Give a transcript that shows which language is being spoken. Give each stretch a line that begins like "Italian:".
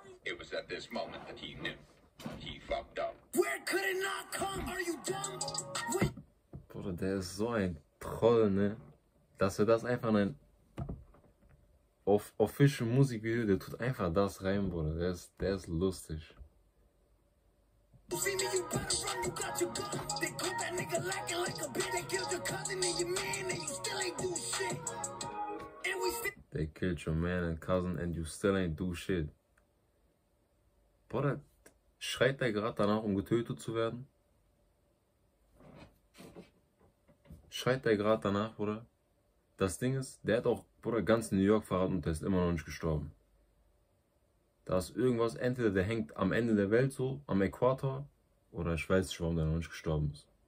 English: It was at this moment that he knew he fucked up. Where could it not come? Are you dumb?
German: Bro, der ist so ein Troll, ne? Dass er das einfach in ein official Musikvideo, der tut einfach das rein, Bro. Der ist lustig.
English: See me, you better run, you got your gun. They caught that nigga lacking like a bitch. They killed your cousin and your man, and you still ain't do shit. They killed your man and cousin and you still ain't do shit.
German: Boah, schreit der gerade danach, um getötet zu werden? Schreit der gerade danach, Bruder? Das Ding ist, der hat auch, Bruder, ganz New York verraten und der ist immer noch nicht gestorben. Da ist irgendwas, entweder der hängt am Ende der Welt so, am Äquator, oder ich weiß nicht, warum der noch nicht gestorben ist.